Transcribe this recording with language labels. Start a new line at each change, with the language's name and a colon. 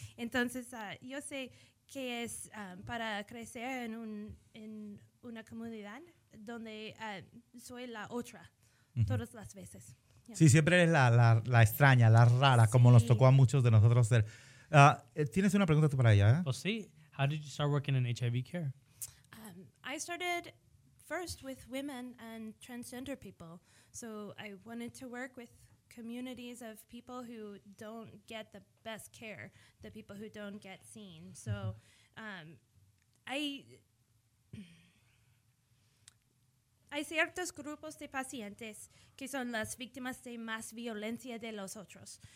Spanish: Entonces, yo sé que es para crecer en una comunidad donde soy la otra, mm-hmm. todas las veces.
English: Yeah.
Spanish: Sí, siempre eres la extraña, la rara, sí. Como nos tocó a muchos de nosotros ser. ¿Tienes una pregunta tú para ella? Pues sí.
English: How did you start working in HIV care? I started first with women and transgender people. So I wanted to work with communities of people who don't get the best care, the people who don't get seen.
Spanish: So hay ciertos grupos de pacientes que son las víctimas de más violencia de los otros.